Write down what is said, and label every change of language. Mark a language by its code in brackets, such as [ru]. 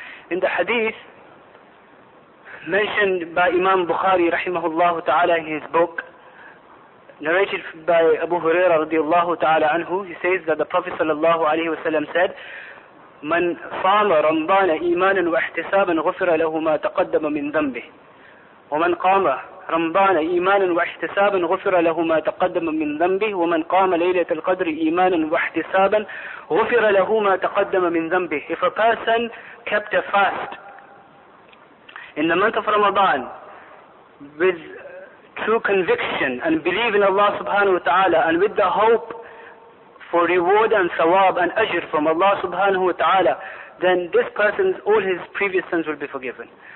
[en] In the hadith mentioned by Imam Bukhari rahimahullah ta'ala in his book, narrated by Abu Huraira radiallahu ta'ala anhu, he says that the Prophet sallallahu alayhi wa sallam said, [ar] "Man saama Ramadan imanan wa ihtisaban ghufira lahu ma taqaddama min dhanbi, wa man qama رمضان إيمانا واحتسابا غفر له ما تقدم من ذنبه ومن قام ليلة القدر إيمانا واحتسابا غفر له ما تقدم من ذنبه. [en] If a person kept a fast in the month of Ramadan with true conviction and belief in Allah subhanahu wa ta'ala and with the hope for reward and thawab and ajr from Allah subhanahu wa ta'ala, then this person's, all his previous sins will be forgiven.